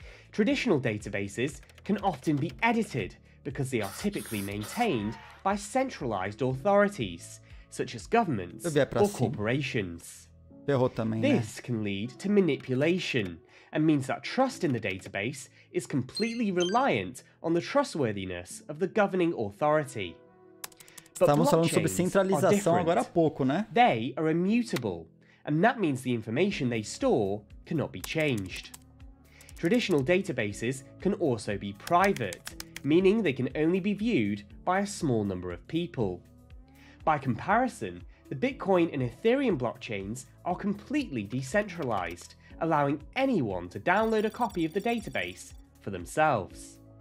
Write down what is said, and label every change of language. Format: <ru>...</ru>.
<en>Traditional databases can often be edited because they are typically maintained by centralized authorities, such as governments or corporations. This can lead to manipulation and means that trust in the database is completely reliant on the trustworthiness of the governing authority.</en> <pt>Estamos falando sobre centralização agora há pouco, né?</pt> <en>They are immutable, and that means the information they store cannot be changed. Traditional databases can also be private, meaning they can only be viewed by a small number of people. By comparison, the Bitcoin and Ethereum blockchains are completely decentralized, allowing anyone to download a copy of the database for themselves.</en>